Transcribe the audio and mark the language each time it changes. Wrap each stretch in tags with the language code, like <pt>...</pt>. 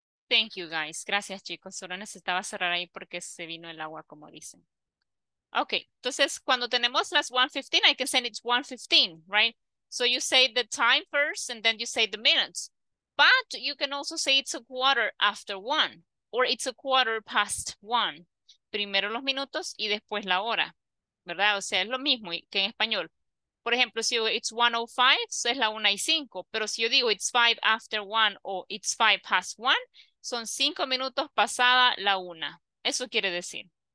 <en>Thank you, guys.</en> <es>Gracias, chicos. Solo necesitaba cerrar ahí porque se vino el agua, como dicen.</es> <en>Okay.</en> <es>Entonces, cuando tenemos las 1:15,</es> <en>I can say it's 1:15, right? So you say the time first and then you say the minutes. But you can also say it's a quarter after one or it's a quarter past one.</en> <es>Primero los minutos y después la hora, ¿verdad? O sea, es lo mismo que en español. Por ejemplo, si yo digo</es> <en>it's 1:05,</en> <es>es la 1:05. Pero si yo digo</es> <en>it's 5 after 1</en> <es>o</es> <en>it's 5 past 1,</en> <es>son 5 minutos pasada la 1. Eso quiere decir.</es>